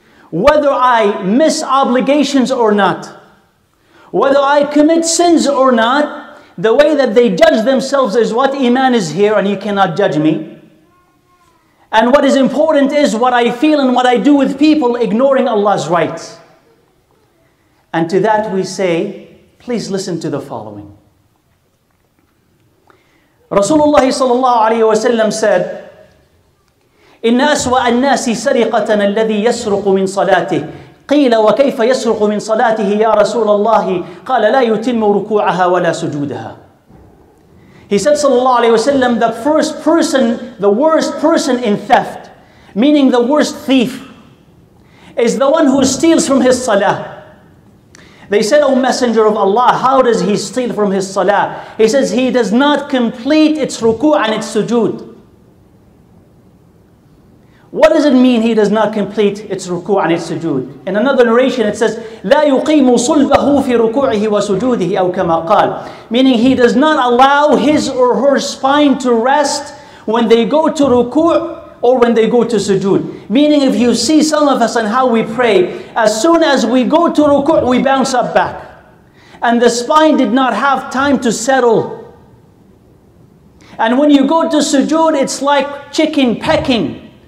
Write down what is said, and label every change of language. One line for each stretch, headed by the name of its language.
English: Whether I miss obligations or not, whether I commit sins or not, the way that they judge themselves is what iman is here, and you cannot judge me. And what is important is what I feel and what I do with people, ignoring Allah's right. And to that we say, please listen to the following. Rasulullah sallallahu alayhi wa sallam said,
Arabic: إِنَّ أَسْوَأَ النَّاسِ سَرِقَةً الَّذِي يَسْرُقُ مِنْ صَلَاتِهِ قِيلَ وَكَيْفَ يَسْرُقُ مِنْ صَلَاتِهِ يَا رَسُولَ اللَّهِ قَالَ لَا يُتِمُّ رُكُوعَهَا وَلَا سُجُودَهَا.
English: He said sallallahu alayhi wa sallam, the first person, the worst person in theft, meaning the worst thief, is the one who steals from his salah. They said, O Messenger of Allah, how does he steal from his salah? He says, he does not complete its ruku' and its sujood. What does it mean he does not complete its ruku' and its sujood? In another narration it says,
Arabic: لَا يُقِيمُ صُلْبَهُ فِي رُكُوعِهِ وَسُجُودِهِ أَوْ كَمَا قَالَ.
English: Meaning he does not allow his or her spine to rest when they go to ruku' or when they go to sujood. Meaning if you see some of us and how we pray, as soon as we go to ruku' we bounce up back. And the spine did not have time to settle. And when you go to sujood, it's like chicken pecking.